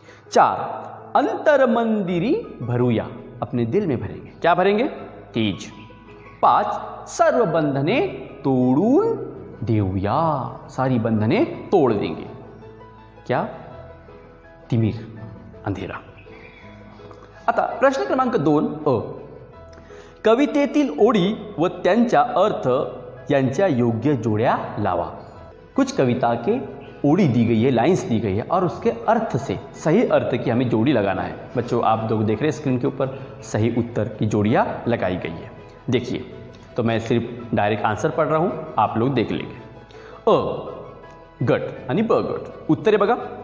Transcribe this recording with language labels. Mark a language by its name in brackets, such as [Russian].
[Hindi] 4, [Marathi] अंतर मंदिरी भरूया, [Hindi] अपने दिल में भरेंगे, क्या भरेंगे? तेज। 5, [Marathi] सर्व बंधने तोड़ून देऊया, [Hindi] सारी बंधने तोड़ देंगे, क्या? तिमिर, अंधेरा। [Marathi] आता प्रश्न क्रमांक 2, अ, कवितेतील ओळी व त्यांचा अर्थ यांच्या योग्य जोड्या लावा। [Hindi] कुछ कविता के ओड़ी दी गई है, लाइंस दी गई है, और उसके अर्थ से सही अर्थ की हमें जोड़ी लगाना है। बच्चों, आप लोग देख रहे हैं स्क्रीन के ऊपर सही उत्तर की जोड़ियां लगाई गई है। देखिए, तो मैं सिर्फ डायरेक्ट आंसर पढ़ रहा हूं, आप लोग देख लेंगे। अ, गट यानी ब गट, उत्तर है बगा।